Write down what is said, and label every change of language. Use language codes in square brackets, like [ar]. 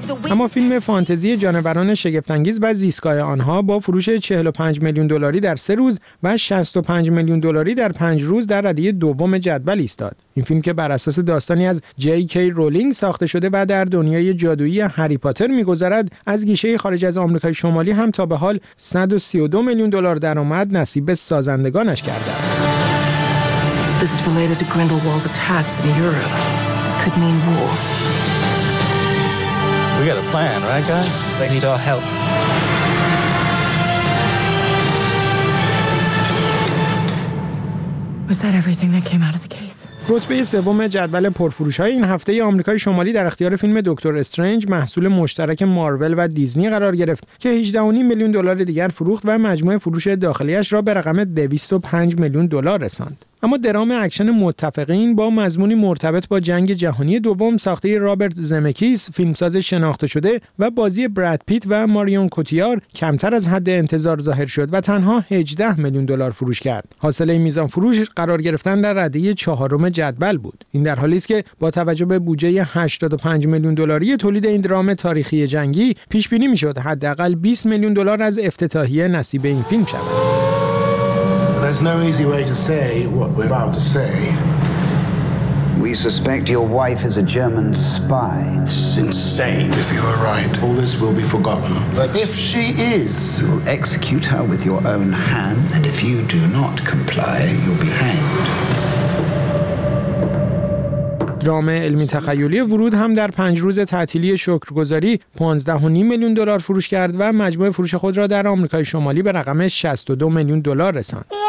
[fa] اما فیلم فانتزی جانوران شگفت‌انگیز و زیستگاه آنها با فروش 45 میلیون دلاری در 3 روز و 65 میلیون دلاری در 5 روز در رده دوم جدول ایستاد. این فیلم که بر اساس داستانی از جی کی رولینگ ساخته شده و در دنیای جادویی هری پاتر می‌گذرد، از گیشه خارج از آمریکای شمالی هم تا به حال 132 میلیون دلار درآمد نصیب سازندگانش کرده است. [en] This is related to Grindelwald's attacks in Europe. This could mean war. We got a plan, right, guys? They need our help. Was that everything that came out of the case? [fa] رتبه سوم جدول پرفروش‌های این هفته آمریکای شمالی در اختیار فیلم دکتر استرنج، محصول مشترک مارول و دیزنی قرار گرفت که 18.5 میلیون دلار دیگر فروخت و مجموع فروش داخلیش را به رقم 205 میلیون دلار رساند. اما درام اکشن متفقین با مضمونی مرتبط با جنگ جهانی دوم ساخته رابرت زمکیس، فیلمساز شناخته شده و بازی براد پیت و ماریون کوتیار کمتر از حد انتظار ظاهر شد و تنها 18 میلیون دلار فروش کرد. حاصل این میزان فروش قرار گرفتن در رده 4 جدول بود. این در حالی است که با توجه به بودجه 85 میلیون دلاری تولید این درام تاریخی جنگی، پیش بینی میشد حداقل 20 میلیون دلار از افتتاحیه نصیب این فیلم شود. [en] There's no easy way to say what we're about to say. We suspect your wife is a German spy. It's insane. If you are right, all this will be forgotten. But if she is, you'll execute her with your own hand, and if you do not comply, you'll be hanged. [fa] درام علمی تخیلی ورود هم در 5 روز تعطیلی شکرگزاری 15.5 میلیون دلار فروش کرد و مجموع فروش خود را در آمریکای شمالی به رقم 62 میلیون دلار رساند.